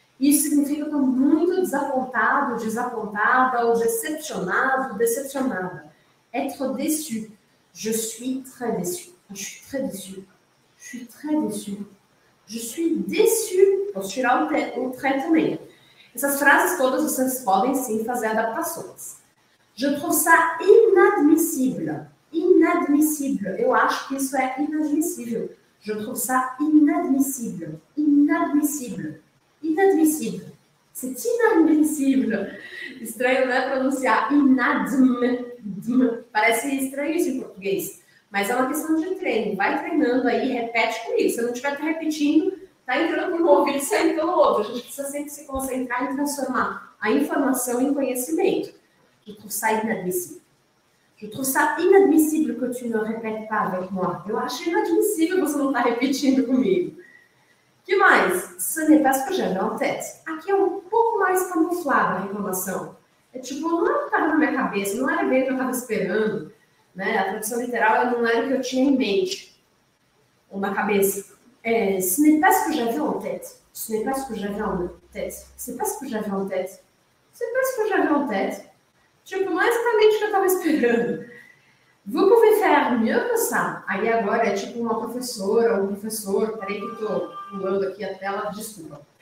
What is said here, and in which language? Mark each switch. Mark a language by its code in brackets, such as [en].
[pt] Isso significa que eu estou muito desapontado, desapontada, ou decepcionado, decepcionada. [fr] Être déçu. Je suis très déçu. Je suis très déçu. Je suis très déçu. Je suis déçu. [pt] Posso tirar o très também. Essas frases todas vocês podem sim fazer adaptações. [fr] Je trouve ça inadmissible. Inadmissible. [pt] Eu acho que isso é inadmissível. [fr] Je trouve ça inadmissible. Inadmissible. Inadmissible. C'est inadmissible. [pt] Estranho, né? Pronunciar inadmissible. Parece estranho isso em português. Mas é uma questão de treino. Vai treinando aí, repete comigo. Se eu não estiver te repetindo, tá entrando por um ouvido e saindo pelo outro. A gente precisa sempre se concentrar em transformar a informação em conhecimento. [fr] Je trouve ça inadmissible. Je trouve ça inadmissible que tu ne répètes pas avec moi. [pt] Eu acho inadmissível você não estar repetindo comigo. Que mais? [fr] Ce n'est pas ce que j'avais en tête. [pt] Aqui é um pouco mais camuflada a reclamação. É tipo, não é o que estava na minha cabeça, não era bem o que eu estava esperando. Né? A tradução literal não era o que eu tinha em mente ou na cabeça. [fr] É, ce n'est pas ce que j'avais en tête. Ce n'est pas ce que j'avais en tête. Ce n'est pas ce que j'avais en tête. Ce n'est pas ce que j'avais en tête. [pt] Tipo, não é exatamente o que eu estava esperando. [fr] Vous pouvez faire mieux que ça. [pt] Aí agora é tipo uma professora, um professor. Peraí que eu estou pulando aqui a tela, desculpa.